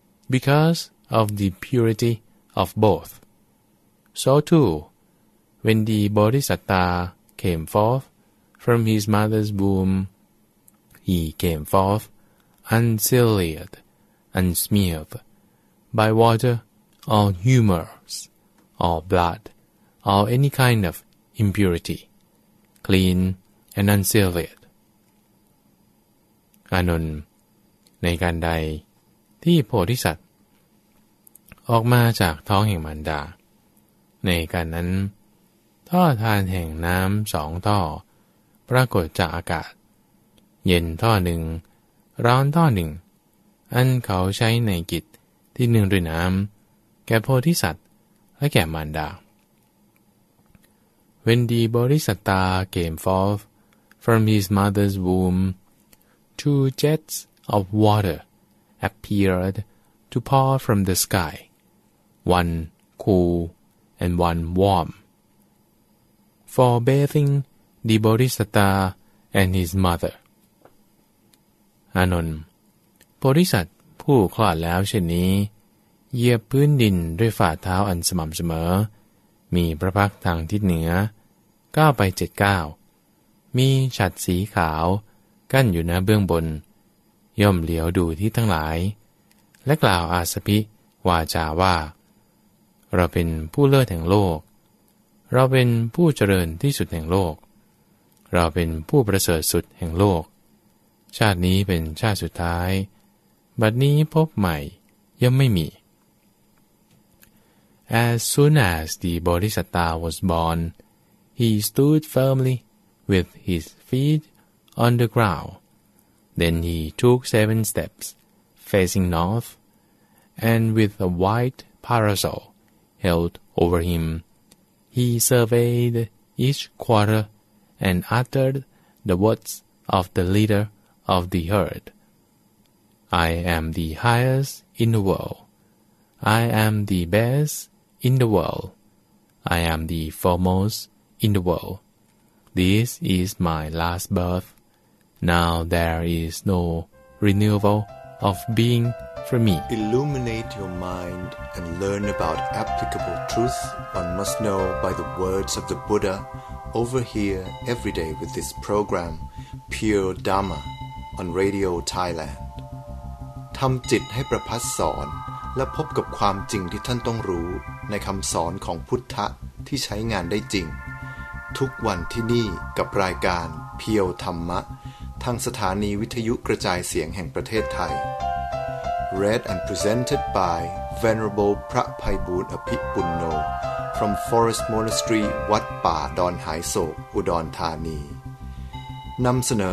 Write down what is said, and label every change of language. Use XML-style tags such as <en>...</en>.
<en>Because of the purity of both. So too, when the Bodhisattva came forth from his mother's womb, he came forth unsealed, unsmeared by water or humors, or blood, or any kind of impurity, clean and unsealed.</en> <th>Anon, ในการใดที่โพธิสัตว์ออกมาจากท้องแห่งมารดาในการนั้นท่อทานแห่งน้ำสองท่อปรากฏจากอากาศเย็นท่อหนึ่งร้อนท่อหนึ่งอันเขาใช้ในกิจที่หนึ่งด้วยน้ำแก่โพธิสัตว์และแก่มารดา</th> <en>When the Bodhisattva came forth from his mother's womb, two jets of water appeared to pour from the sky, one cool and one warm. For bathing the Bodhisattva and his mother.</en> <th>Anon, Bodhisat ผู้คลอดแล้วเช่นนี้เหยียบพื้นดินด้วยฝ่าเท้าอันสม่ำเสมอมีพระพักทางทิศเหนือก้าวไปเจ็ดก้าวมีฉัตรสีขาวกั้นอยู่หน้าเบื้องบนย่อมเหลียวดูที่ทั้งหลายและกล่าวอาสภิวาจาว่า เราเป็นผู้เลิศแห่งโลกเราเป็นผู้เจริญที่สุดแห่งโลกเราเป็นผู้ประเสริฐสุดแห่งโลกชาตินี้เป็นชาติสุดท้ายบัดนี้พบใหม่ย่อมไม่มี</th> <en>As soon as the Bodhisattva was born, he stood firmly with his feet on the ground. Then he took seven steps, facing north, and with a white parasol held over him, he surveyed each quarter and uttered the words of the leader of the herd. I am the highest in the world. I am the best. In the world, I am the foremost in the world. This is my last birth. Now there is no renewal of being for me. Illuminate your mind and learn about applicable truth one must know by the words of the Buddha over here every day with this program, Pure Dharma, on Radio Thailand.</en> <th>ทำจิตให้ประพัสสอนและพบกับความจริงที่ท่านต้องรู้ในคำสอนของพุทธะที่ใช้งานได้จริงทุกวันที่นี่กับรายการเพียวธรรมะทางสถานีวิทยุกระจายเสียงแห่งประเทศไทย</th> <en>Read and presented by Venerable</en> <th>พระไพบูลย์อภิปุณโญ</th> <en>from Forest Monastery</en> <th>วัดป่าดอนหายโศกอุดรธานีนำเสนอโดยท่านพระอาจารย์ไพบูลย์อภิปุณโญ</th>